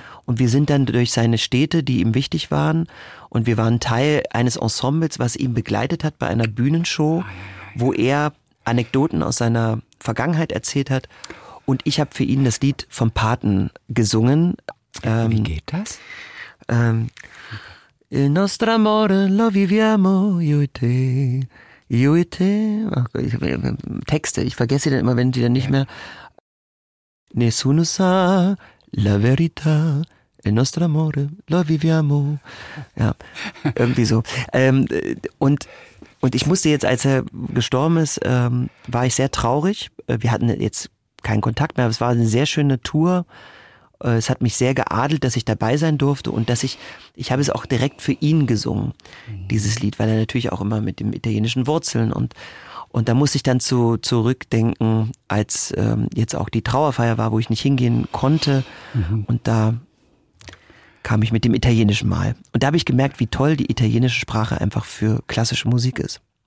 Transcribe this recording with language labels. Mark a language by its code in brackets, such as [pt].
[de] Und wir sind dann durch seine Städte, die ihm wichtig waren. Und wir waren Teil eines Ensembles, was ihn begleitet hat bei einer Bühnenshow, wo er Anekdoten aus seiner Vergangenheit erzählt hat. Und ich habe für ihn das Lied vom Paten gesungen. Wie geht das? [it] Il nostro amore lo viviamo io e te, io e te. [de] Ach Gott, Texte, ich vergesse sie dann immer, wenn die dann nicht mehr. [it] Nessuno sa la verità, il nostro amore lo viviamo. [de] Ja, irgendwie so. Und ich musste jetzt, als er gestorben ist, war ich sehr traurig. Wir hatten jetzt keinen Kontakt mehr, aber es war eine sehr schöne Tour. Es hat mich sehr geadelt, dass ich dabei sein durfte und dass ich habe es auch direkt für ihn gesungen, dieses Lied, weil er natürlich auch immer mit den italienischen Wurzeln und da musste ich dann zurückdenken, als jetzt auch die Trauerfeier war, wo ich nicht hingehen konnte und da kam ich mit dem Italienischen mal und da habe ich gemerkt, wie toll die italienische Sprache einfach für klassische Musik ist.